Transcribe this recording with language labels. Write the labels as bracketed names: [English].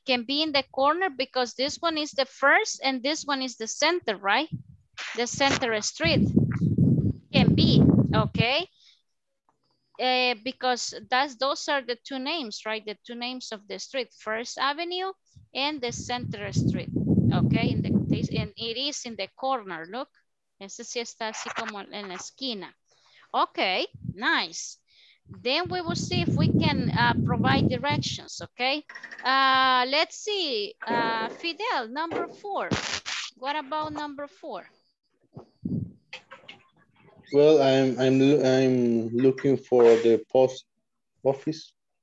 [English] Can be in the corner because this one is the first and this one is the center, right? The center street. Can be, okay. Because those are the two names, right? The two names of the street, First Avenue and the Center Street, okay? And it is in the corner, look. [Spanish] Ese sí está así como en la esquina. [English] Okay, nice. Then we will see if we can provide directions, okay? Let's see, Fidel, number four. What about number four? Well, I'm looking for the post office.